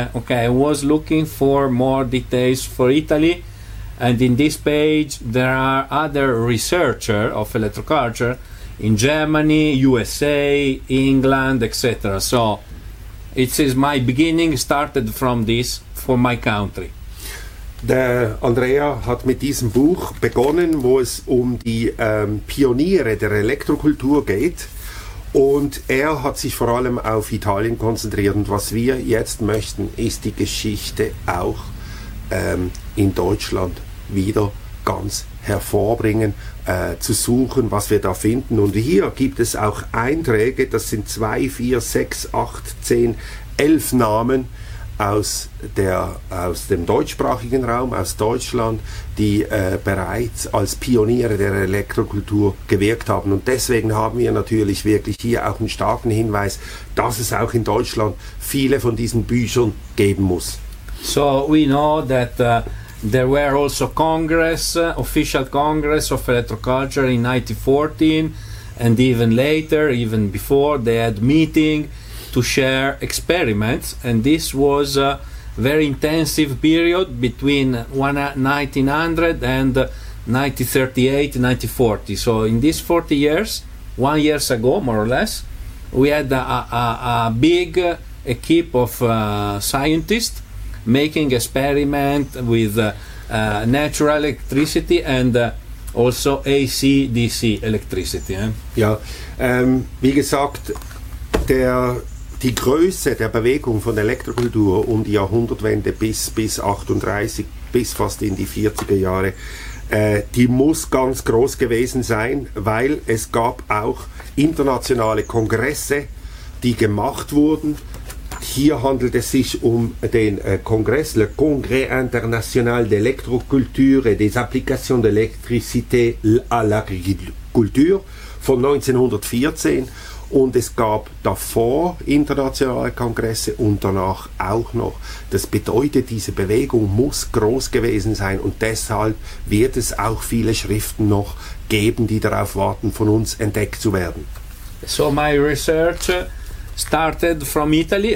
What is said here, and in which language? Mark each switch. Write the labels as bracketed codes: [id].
[en] Okay, I was looking for more details for Italy, and in this page there are other researchers of electroculture in Germany, USA, England, etc. So it is my beginning, started from this for my country. [de] Der Andrea hat mit diesem Buch begonnen, wo es um die Pioniere der Elektrokultur geht, und er hat sich vor allem auf Italien konzentriert, und was wir jetzt möchten, ist die Geschichte auch in Deutschland wieder ganz hervorbringen, zu suchen, was wir da finden. Und hier gibt es auch Einträge, das sind 2, 4, 6, 8, 10, 11 Namen aus dem deutschsprachigen Raum, aus Deutschland, die bereits als Pioniere der Elektrokultur gewirkt haben. Und deswegen haben wir natürlich wirklich hier auch einen starken Hinweis, dass es auch in Deutschland viele von diesen Büchern geben muss. [en] So, we know that there were also Congress, official Congress of Electroculture in 1914, and even later, even before, they had meeting to share experiments, and this was a very intensive period between 1900 and 1938, 1940. So in these 40 years, 1 year ago more or less, we had a big equip of scientists making experiment with natural electricity and also AC-DC electricity. [de] Ja, wie gesagt, die Größe der Bewegung von Elektrokultur um die Jahrhundertwende bis 38, bis fast in die 40er Jahre, die muss ganz groß gewesen sein, weil es gab auch internationale Kongresse, die gemacht wurden, hier handelt es sich um den Kongress, [fr] le Congrès international d'électroculture et des applications de l'électricité à l'agriculture [de] von 1914. Und es gab davor internationale Kongresse und danach auch noch. Das bedeutet, diese Bewegung muss groß gewesen sein und deshalb wird es auch viele Schriften noch geben, die darauf warten, von uns entdeckt zu werden. [en] So my research started from Italy.